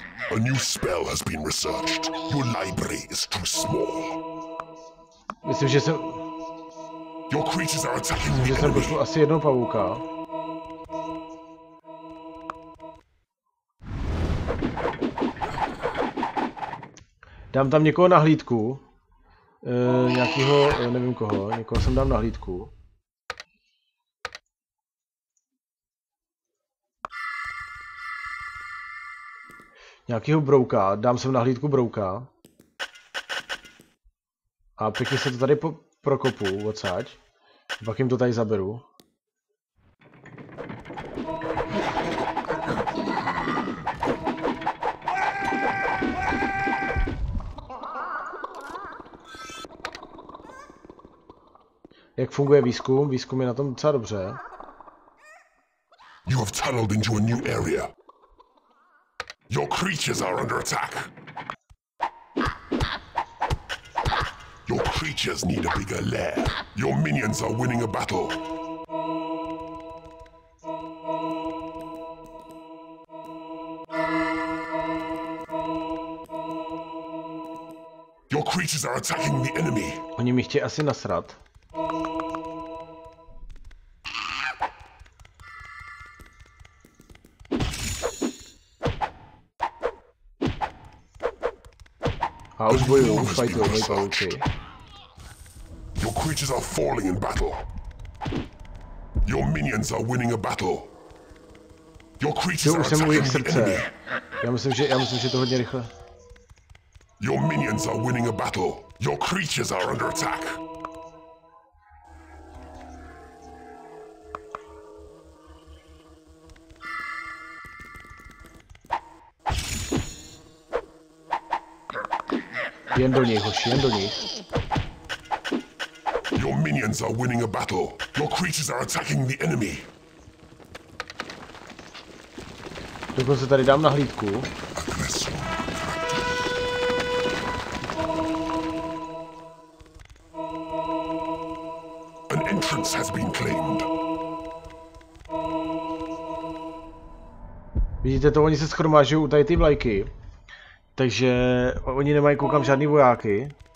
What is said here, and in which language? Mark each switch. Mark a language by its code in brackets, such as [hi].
[en] A new spell has been researched. Your library is too small. [cs] Myslím, že jsem... [en] Your creatures are attacking me. [cs] Myslím, že jsem pošlu asi jednou pavouka. Dám tam někoho na hlídku. Nějakýho, nevím koho, někoho sem dám na hlídku. Nějakýho brouka, dám sem na hlídku brouka. A pěkně se to tady prokopu, odsaď. Pak jim to tady zaberu. Jak funguje výzkum? Výzkum je na tom docela dobře. [en] You have tunneled into a new area. Your creatures are under attack. Your creatures need a bigger lair. Your minions are winning a battle. Your creatures are attacking the enemy. [cs] Oni mi chtějí asi nasrat. A už bojuju, už fajtuju, moji pavuci. [en] Your creatures are falling in battle. Your minions are winning a battle. Your creatures are attacking the enemy. [cs] Já myslím, že to hodně rychle. [en] Your minions are winning a battle. Your creatures are under attack. [cs] Jen do nich, hoši, jen do nich. [en] Your minions are winning a battle. Your creatures are attacking the enemy. [cs] Dokonce tady dám na hlídku. [en] An entrance has been claimed. [cs] Vidíte to, oni se schromážují u tady ty vlajky. Takže oni nemají, koukám, žádný vojáky.